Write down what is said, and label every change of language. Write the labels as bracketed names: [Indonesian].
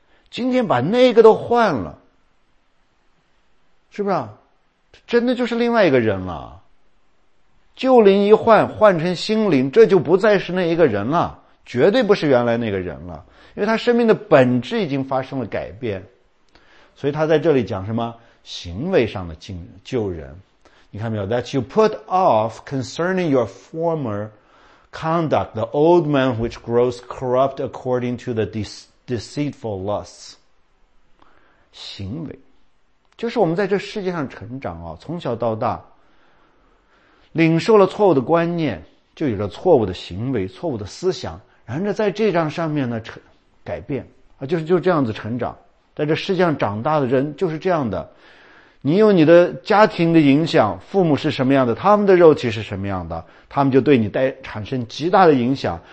[Chinese] 今天把那个都换了，是不是啊？真的就是另外一个人了，旧灵一换，换成新灵，这就不再是那一个人了，绝对不是原来那个人了，因为他生命的本质已经发生了改变。所以他在这里讲什么？行为上的旧人，你看没有 [English] ？That you put off concerning your former conduct, the old man which grows corrupt according to the deceitful lusts. [Chinese] 行为，就是我们在这世界上成长啊，从小到大，领受了错误的观念，就有了错误的行为、错误的思想，然后在这张上面呢改变啊，就是这样子成长。在这世界上长大的人就是这样的，你有你的家庭的影响，父母是什么样的，他们的肉体是什么样的，他们就对你带产生极大的影响。